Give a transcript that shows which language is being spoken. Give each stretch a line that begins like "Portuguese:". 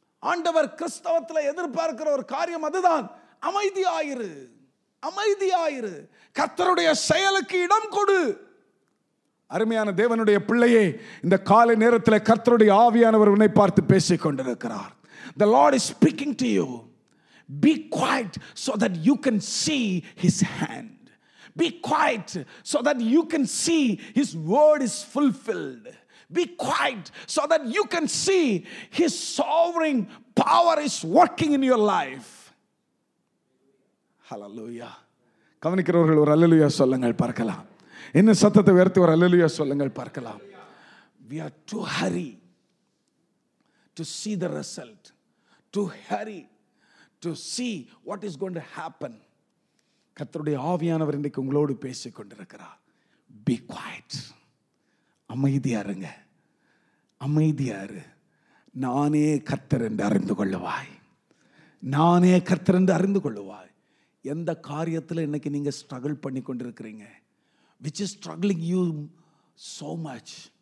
Tamil: ஆண்டவர் கிறிஸ்தவத்தில் எதிர்பார்க்கிற ஒரு காரியம் அதுதான், அமைதியாயிரு. அமைதியாயிரு, கர்த்தருடைய செயலுக்கு இடம் கொடு. அருமையான தேவனுடைய பிள்ளையே, இந்த காலை நேரத்தில் கர்த்தருடைய ஆவியானவர் உன்னை பார்த்து பேசிக் கொண்டிருக்கிறார்.
English: The Lord is speaking to you. Be quiet so that you can see His hand. Be quiet so that you can see His word is fulfilled. Be quiet so that you can see His sovereign power is working in your life. Hallelujah.
Tamil: கவனிக்கிறவர்கள் ஒரு அல்லேலூயா சொல்லுங்கள் பார்க்கலாம். இன்னும் சத்தத்தை உயர்த்தி ஒரு அல்லேலூயா சொல்லுங்கள் பார்க்கலாம்.
English: We are too hurry to see the result. Too hurry to see what is going to happen.
Tamil: கர்த்தருடைய ஆவியானவர் இன்றைக்கு உங்களோடு பேசிக் கொண்டிருக்கிறார்.
English: Be quiet.
Tamil: அமைதியா இருங்க. அமைதியா இரு. நானே கர்த்தர் என்று அறிந்து கொள்ளுவாய். நானே கர்த்தர் என்று அறிந்து கொள்ளுவாய். எந்த காரியத்தில் இன்னைக்கு நீங்கள் ஸ்ட்ரகிள் பண்ணி கொண்டிருக்கிறீங்க,
English: Which is struggling you so much?